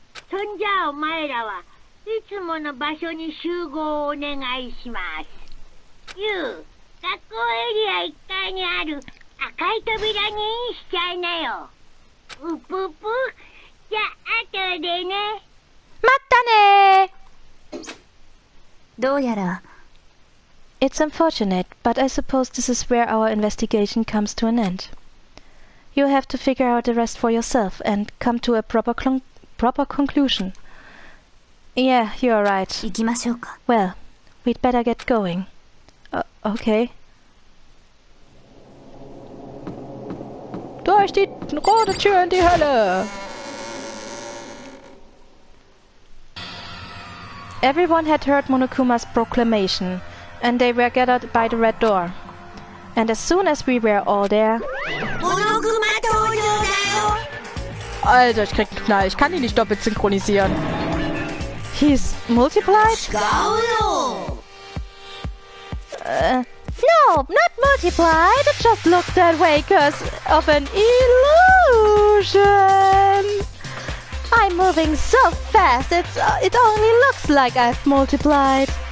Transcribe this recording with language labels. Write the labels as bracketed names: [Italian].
[Japanese] そんじゃお前らはいつもの場所に集合をお願いします。ユー、学校エリア1階にある 赤い扉にしちゃいなよ。うぷぷ。じゃあ後でね。またね。どうやら [English] It's unfortunate, but I suppose this is where our investigation comes to an end. You have to figure out the rest for yourself and come to a proper conclusion. Yeah, you're right. [Japanese] 行きましょうか。 [English] Well, we'd better get going. Okay. [German] Durch die rote Tür in die Hölle! [English] Everyone had heard Monokuma's proclamation, and they were gathered by the red door. And as soon as we were all there... Monokuma Dojo! [German] Alter, ich krieg Knall, ich kann ihn nicht doppelt synchronisieren. [English] He's multiplied? Schaulo! No, not multiplied, it just looked that way because of an illusion! I'm moving so fast, it only looks like I've multiplied.